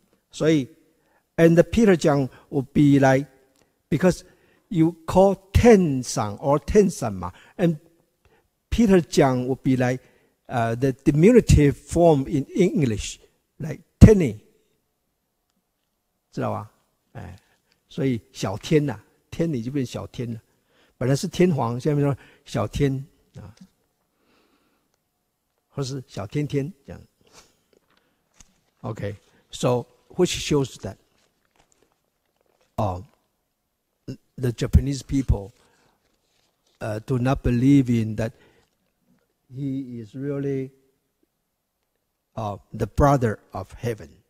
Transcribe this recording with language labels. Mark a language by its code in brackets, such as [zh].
[en] So, and the Peter Jiang would be like, because you call Ten Sang or Ten Sang, and Peter Jiang would be like the diminutive form in English, like Tenny. [zh] 知道吧？哎，所以小天呐，天你就变小天了。本来是天皇，下面说小天啊，或是小天天这样。 [en] Okay, so which shows that, the Japanese people, do not believe in that he is really, the brother of heaven.